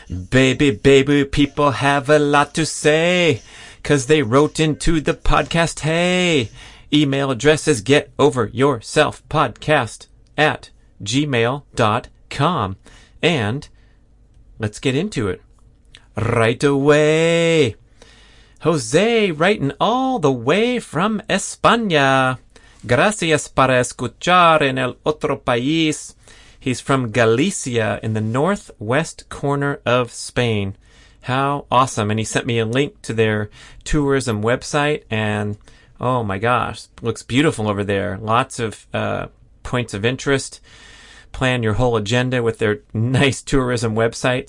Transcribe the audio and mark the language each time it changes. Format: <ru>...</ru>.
<en>Baby, baby, people have a lot to say, 'cause they wrote into the podcast. Hey, email address is getoveryourselfpodcast@gmail.com. And let's get into it right away. Jose, writing all the way from España.</en> <es>Gracias para escuchar en el otro país.</es> <en>He's from Galicia in the northwest corner of Spain. How awesome. And he sent me a link to their tourism website. And, oh my gosh, looks beautiful over there. Lots of points of interest. Plan your whole agenda with their nice tourism website.</en>